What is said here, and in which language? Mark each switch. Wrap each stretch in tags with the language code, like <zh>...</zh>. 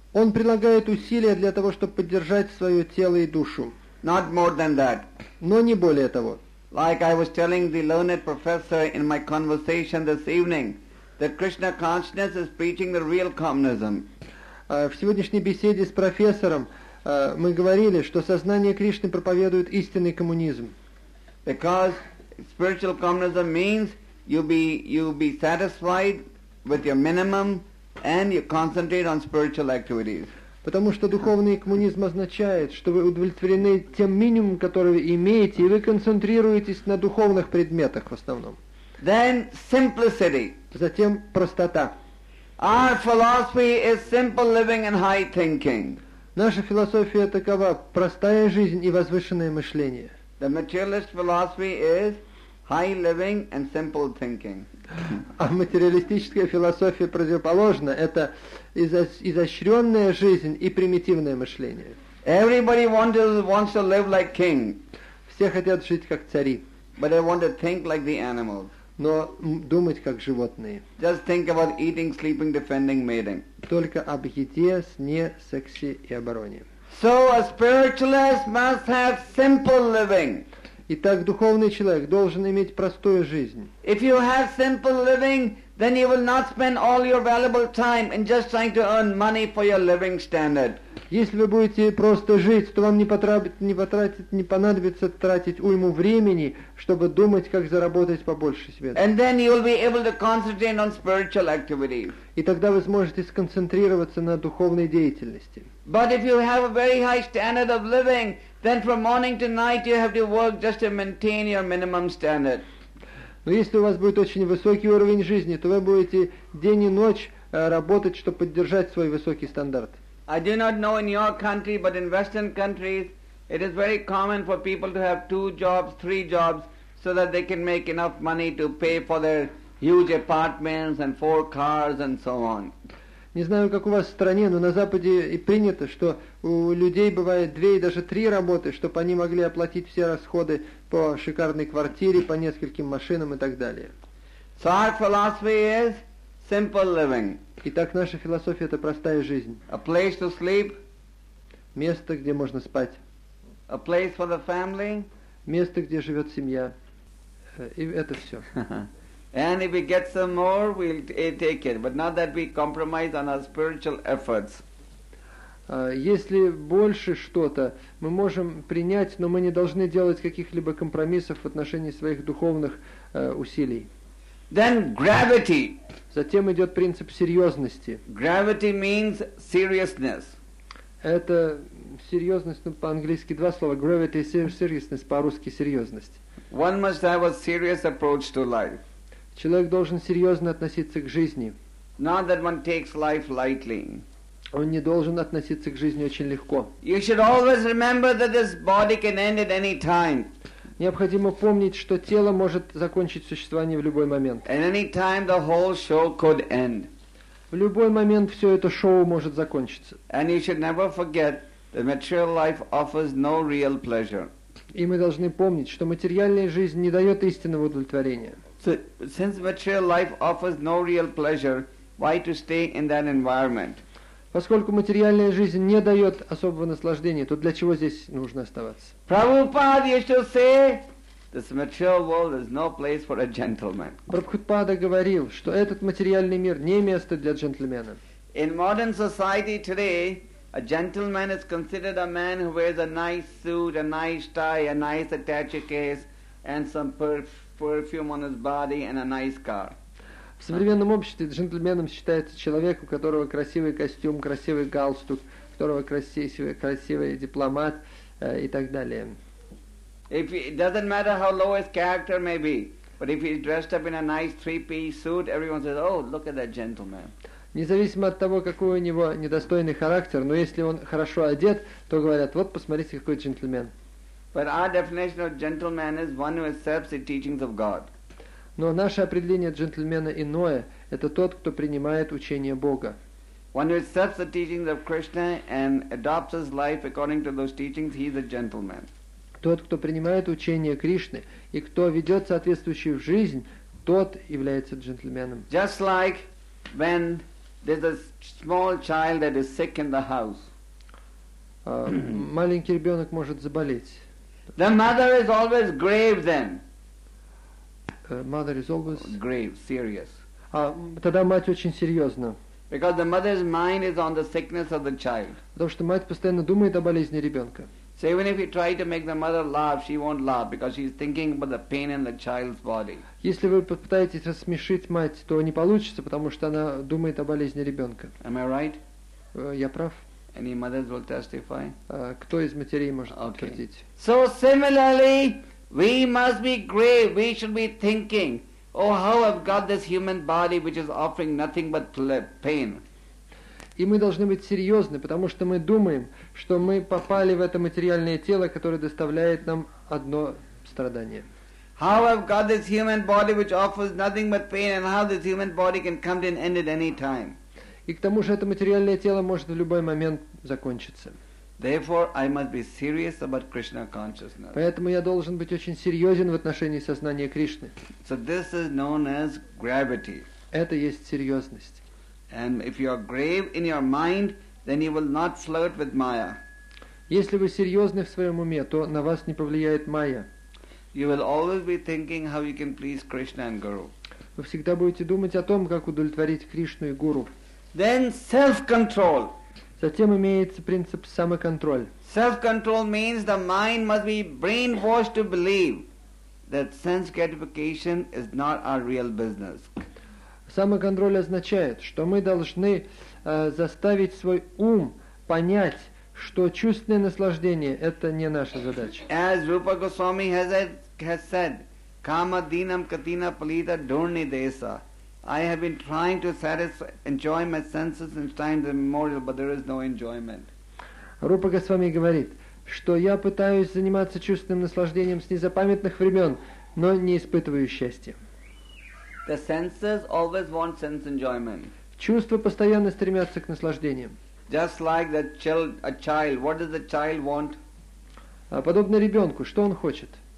<ru>Он прилагает усилия для того, чтобы поддержать свое тело и душу.</ru> <en>Not more than that.</en> <ru>Но не более того.</ru> <en>Like I was telling the learned professor in my conversation this evening, that Krishna consciousness is preaching the real communism.</en> <ru>В сегодняшней беседе с профессором мы говорили, что сознание Кришны проповедует истинный коммунизм.</ru> <en>Because spiritual communism means you be satisfied with your minimum and you concentrate on spiritual activities.</en> <ru>Потому что духовный коммунизм означает, что вы удовлетворены тем минимумом, который вы имеете, и вы концентрируетесь на духовных предметах в основном.</ru> <en>Then simplicity.</en> <ru>Затем простота.</ru> <en>Our philosophy is simple living and high thinking.</en> <ru>Наша философия такова: простая жизнь и возвышенное мышление.</ru> <en>The materialist philosophy is high living and simple thinking.</en> <ru>А материалистическая философия противоположна: это изощренная жизнь и примитивное мышление.</ru> <en>Everybody wants to live like king.</en> <ru>Все хотят жить как цари.</ru> <en>But they want to think like the animals.</en> <ru>Но думать как животные.</ru> <en>Just think about eating, sleeping, defending, mating.</en> <ru>Только об еде, сне, сексе и обороне.</ru> <en>So a spiritualist must have simple living.</en> <ru>Итак, духовный человек должен иметь простую жизнь.</ru> <en>If you have simple living, then you will not spend all your valuable time in just trying to earn money for your living standard.</en> <ru>Если вы будете просто жить, то вам не понадобится тратить уйму времени, чтобы думать, как заработать побольше себе.</ru> <en>And then you will be able to concentrate on spiritual activities.</en> <ru>И тогда вы сможете сконцентрироваться на духовной деятельности.</ru> <en>But if you have a very high standard of living, then from morning to night you have to work just to maintain your minimum standard.</en> <ru>Но если у вас будет очень высокий уровень жизни, то вы будете день и ночь работать, чтобы поддержать свой высокий стандарт.</ru> <en>I do not know in your country, but in Western countries, it is very common for people to have two jobs, three jobs, so that they can make enough money to pay for their huge apartments and four cars and so on.</en> <ru>Не знаю, как у вас в стране, но на Западе и принято, что у людей бывает две и даже три работы, чтобы они могли оплатить все расходы по шикарной квартире, по нескольким машинам и так далее.</ru> <en>So our philosophy is simple living.</en> <ru>Итак, наша философия – это простая жизнь.</ru> <en>A place to sleep.</en> <ru>Место, где можно спать.</ru> <en>A place for the family.</en> <ru>Место, где живет семья. И это все.</ru> <en>And if we get some more, we'll take it. But not that we compromise on our spiritual efforts.</en> <ru>Если больше что-то, мы можем принять, но мы не должны делать каких-либо компромиссов в отношении своих духовных усилий.</ru> <en>Then gravity.</en> <ru>Затем идет принцип серьезности.</ru> <en>Gravity means seriousness.</en> <ru>Это серьезность, ну, по-английски два слова.</ru> <en>Gravity – seriousness,</en> <ru>по-русски – серьезность.</ru> <en>One must have a serious approach to life.</en> <ru>Человек должен серьезно относиться к жизни.</ru> <en>Not that one takes life lightly.</en> <ru>Он не должен относиться к жизни очень легко.</ru> <en>You should always remember that this body can end at any time.</en> <ru>Необходимо помнить, что тело может закончить существование в любой момент.</ru> <en>At any time the whole show could end.</en> <ru>В любой момент все это шоу может закончиться.</ru> <en>And you should never forget that material life offers no real pleasure.</en> <ru>И мы должны помнить, что материальная жизнь не дает истинного удовлетворения.</ru> <en>So, since material life offers no real pleasure, why to stay in that environment?</en> <ru>Поскольку материальная жизнь не дает особого наслаждения, то для чего здесь нужно оставаться?</ru> <en>Prabhupada used to say, this material world is no place for a gentleman.</en> <ru>Прабхупада говорил, что этот материальный мир не место для джентльмена.</ru> <en>In modern society today, a gentleman is considered a man who wears a nice suit, a nice tie, a nice attaché case, and some perfume on his body and a nice car.</en> <ru>В современном обществе джентльменом считается человек, у которого красивый костюм, красивый галстук, у которого красивый дипломат и так далее.</ru> <en>It doesn't matter how low his character may be. But if he's dressed up in a nice three-piece suit, everyone says, "Oh, look at that gentleman."</en> <ru>Независимо от того, какой у него недостойный характер, но если он хорошо одет, то говорят: "Вот посмотрите, какой джентльмен."</ru> <en>But our definition of gentleman is one who accepts the teachings of God.</en> <ru>Но наше определение джентльмена иное. Это тот, кто принимает учение Бога.</ru> <en>One who accepts the teachings of Krishna and adopts his life according to those teachings, he is a gentleman.</en> <ru>Тот, кто принимает учение Кришны и кто ведет соответствующую жизнь, тот является джентльменом.</ru> <en>Just like when there's a small child that is sick in the house.</en> <ru>Маленький ребенок может заболеть.</ru> <en>The mother is always grave then. Mother is always grave, serious.</en> <ru>Тогда мать очень серьезна.</ru> <en>Because the mother's mind is on the sickness of the child.</en> <ru>Потому что мать постоянно думает о болезни ребенка.</ru> <en>So even if you try to make the mother laugh, she won't laugh because she's thinking about the pain in the child's body.</en> <ru>Если вы попытаетесь рассмешить мать, то не получится, потому что она думает о болезни ребенка.</ru> <en>Am I right?</en> <ru>Я прав?</ru> <en>Any mothers will testify?</en> <ru>Кто из матерей может подтвердить?</ru> <en>So similarly, we must be grave. We should be thinking, "Oh, how I've got this human body which is offering nothing but pain."</en> <ru>И мы должны быть серьезны, потому что мы думаем, что мы попали в это материальное тело, которое доставляет нам одно страдание.</ru> <en>How I've got this human body which offers nothing but pain, and how this human body can come to an end at any time.</en> <ru>И к тому же это материальное тело может в любой момент закончиться.</ru> <en>Therefore, I must be serious about Krishna consciousness.</en> <ru>Поэтому я должен быть очень серьезен в отношении сознания Кришны.</ru> <en>So this is known as gravity.</en> <ru>Это есть серьезность.</ru> <en>And if you are grave in your mind, then you will not flirt with Maya.</en> <ru>Если вы серьезны в своем уме, то на вас не повлияет Майя.</ru> <en>You will always be thinking how you can please Krishna and Guru.</en> <ru>Вы всегда будете думать о том, как удовлетворить Кришну и Гуру.</ru> <en>Then self-control.</en> <ru>Затем имеется принцип самоконтроль.</ru> <en>Self-control means the mind must be brainwashed to believe that sense gratification is not our real business.</en> <ru>Самоконтроль означает, что мы должны заставить свой ум понять, что чувственное наслаждение – это не наша задача.</ru> <en>As Rupa Goswami has said,</en> <sa>"Kama dinam katina palita dhurni desa."</sa> <en>I have been trying to enjoy my senses in times immemorial, but there is no enjoyment.</en> <ru>Рупа Госвами говорит, что я пытаюсь заниматься чувственным наслаждением с незапамятных времен, но не испытываю счастья.</ru> <en>The senses always want sense enjoyment.</en> <ru>Чувства постоянно стремятся к наслаждениям.</ru> <en>Just like the child, a child, what does the child want?</en> <ru>Подобно ребенку, что он хочет?</ru>